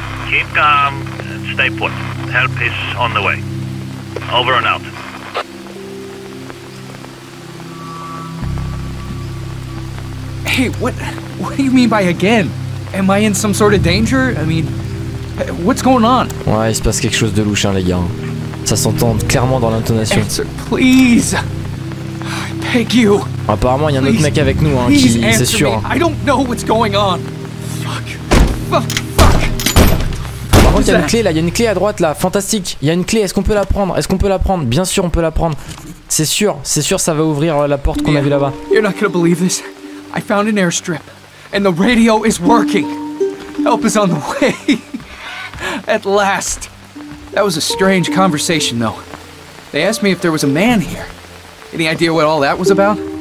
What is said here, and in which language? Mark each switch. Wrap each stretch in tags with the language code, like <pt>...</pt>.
<en>Keep calm and stay put. Help is on the way. Over and out. Hey, what do you mean by again? Am I in some sort of danger? I mean, what's going on?</en> <fr>Ouais, il se passe quelque chose de louche, hein, les gars. Ça s'entend clairement dans l'intonation.</fr> <en>Answer, please. I beg you.</en> <fr>Apparemment, il y a un autre mec avec nous, hein, qui, c'est sûr.</fr> <en>I don't know what's going on. Fuck.</en> <fr>Par contre, il y a une clé là, il y a une clé à droite là, fantastique. Il y a une clé, est-ce qu'on peut la prendre? Est-ce qu'on peut la prendre? Bien sûr, on peut la prendre. C'est sûr, ça va ouvrir la porte qu'on a vue là-bas.</fr> <en>You're not gonna believe this. I found an airstrip, and the radio is working. Help is on the way. At last. That was a strange conversation, though. They asked me if there was a man here. Any idea what all that was about?</en>